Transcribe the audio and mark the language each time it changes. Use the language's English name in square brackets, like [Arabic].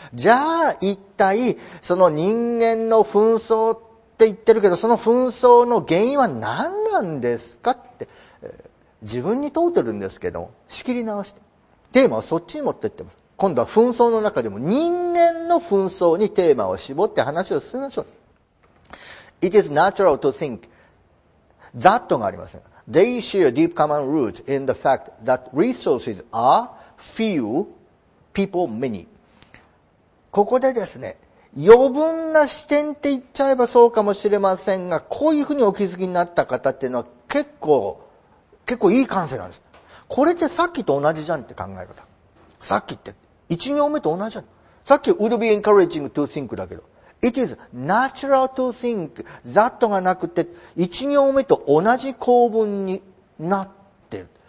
[Japanese] じゃあ、一体、その人間の紛争って言ってるけど、その紛争の原因は何なんですかって、自分に問うてるんですけども、仕切り直して。テーマはそっちに持ってってます。今度は紛争の中でも人間の紛争にテーマを絞って話を進めましょう。 [English] It is natural to think that [Japanese] がありません。 [English] They share deep common roots in the fact that resources are few, people many. [Japanese] ここでですね、余分な視点って言っちゃえばそうかもしれませんが、こういうふうにお気づきになった方っていうのは結構いい感性なんです。これってさっきと同じじゃんって考え方。さっきって。一行目と同じだ。さっき [English] would be encouraging to think [Japanese] だけど、 [English] it is natural to think that [Japanese] がなくて、一行目と同じ構文になってる。